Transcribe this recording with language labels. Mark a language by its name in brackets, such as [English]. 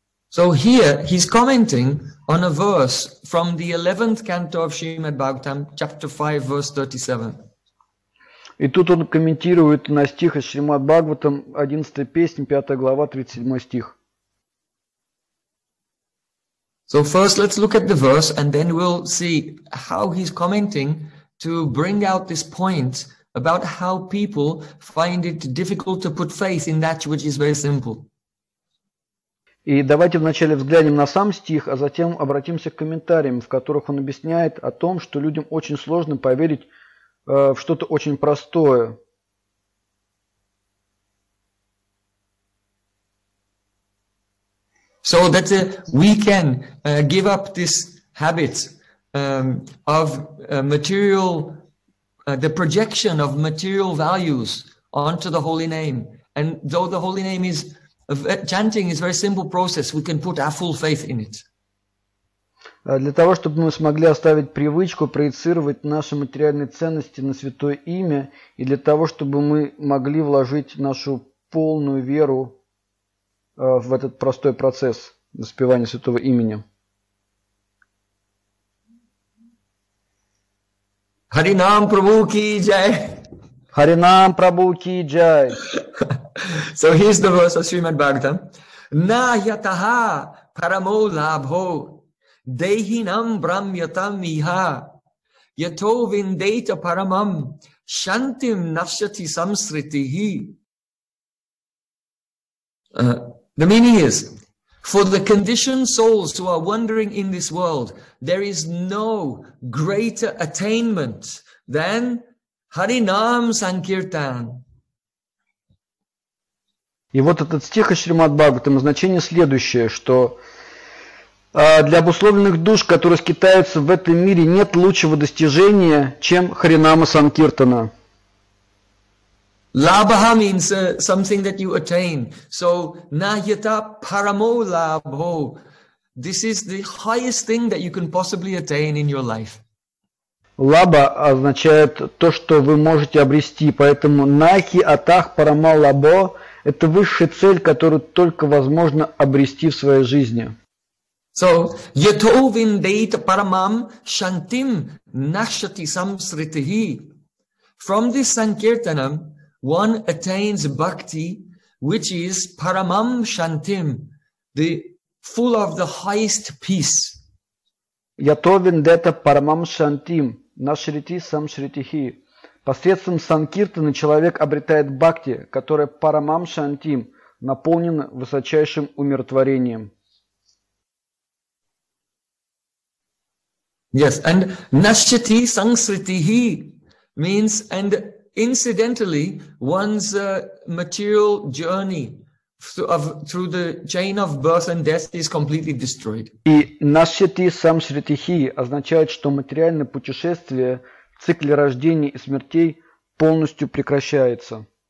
[English] So here he's commenting on a verse from the 11th canto of Srimad Bhagavatam, chapter 5, verse 37. [Russian] И тут он комментирует на стих из Шримад Бхагаватам, 11 песня, 5 глава, 37 стих. [English] So first let's look at the verse and then we'll see how he's commenting to bring out this point about how people find it difficult to put faith in that which is very simple. [Russian] И давайте вначале взглянем на сам стих, а затем обратимся к комментариям, в которых он объясняет о том, что людям очень сложно поверить в что-то очень простое. [English] So that we can give up this habit of material, the projection of material values onto the holy name. And though the holy name is chanting is a very simple process, we can put our full faith in it. [Russian] Для того, чтобы мы смогли оставить привычку проецировать наши материальные ценности на святое имя, и для того, чтобы мы могли вложить нашу полную веру в этот простой процесс воспевания святого имени. Харинам Прабху ки джай! Харинам Прабху ки джай! [English] So here's the verse of Srimad Bhagavatam. [Sanskrit] Na yataha paramo labho Dehinam brahmyatam iha yato vindeta paramam shantim nafshati samsritihi. [English] The meaning is, for the conditioned souls who are wandering in this world, there is no greater attainment than Harinam Sankirtan. [Russian] И вот этот стих из Шримад Бхагаватам, значение следующее, что для обусловленных душ, которые скитаются в этом мире, нет лучшего достижения, чем Харинама Санкиртана. [English] Лабха means something that you attain. So, [Sanskrit] nahyata paramo labho. [English] This is the highest thing that you can possibly attain in your life. [Russian] Лаба означает то, что вы можете обрести. Поэтому нахи атах парама лабо – это высшая цель, которую только возможно обрести в своей жизни. [Sanskrit] So, yato vindeita paramam shantim nashati samsritihi. [English] From this sankirtanam, one attains bhakti, which is paramam shantim, the full of the highest peace. [Sanskrit] Yato vindeita paramam shantim nashriti samsritihi. [Russian] Посредством санкиртаны человек обретает бхакти, которая парамам шантим, наполнена высочайшим умиротворением. [English] Yes, and nashyati samsritihi means, and incidentally, one's material journey through the chain of birth and death is completely destroyed. [Russian] И нашити самсритихи означает, что материальное путешествие в цикле рождения и смертей полностью прекращается.